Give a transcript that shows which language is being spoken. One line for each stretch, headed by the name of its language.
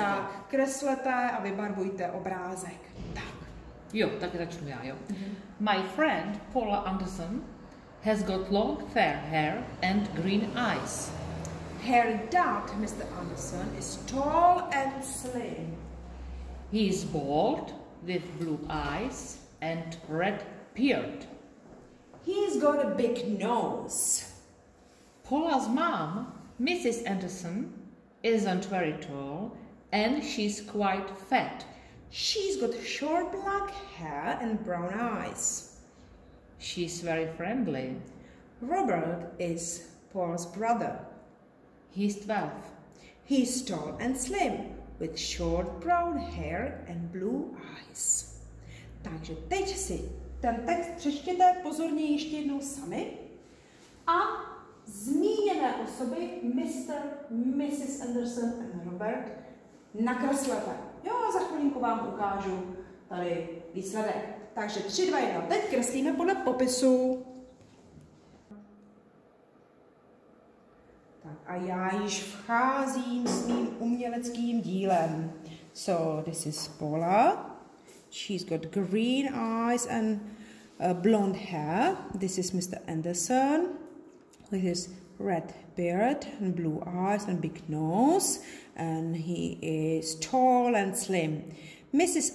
Czech: Tak kreslete a vybarvujte obrázek. Tak. Jo, tak začnu já, jo. Mm-hmm.
English: My friend Paula Anderson has got long fair hair and green eyes. Her dad, Mr. Anderson, is tall and slim. He is bald with blue eyes and red beard. He's got a big nose. Paula's mom, Mrs. Anderson, isn't very tall and she's quite fat. She's got short black hair and brown eyes. She's very friendly. Robert is Paula's brother. He's 12. He's tall and slim, with short brown hair and blue eyes.
Czech: Takže teď si ten text přečtěte pozorně ještě jednou sami. A zmíněné osoby, Mr., Mrs. Anderson a Robert, nakreslete. Jo, za chvilinku vám ukážu tady výsledek. Takže 3, 2, 1. Teď kreslíme podle popisu. A já již vcházím s mým uměleckým dílem.
English: So, this is Paula. She's got green eyes and blonde hair. This is Mr. Anderson with his red beard and blue eyes and big nose. And he is tall and slim. Mrs.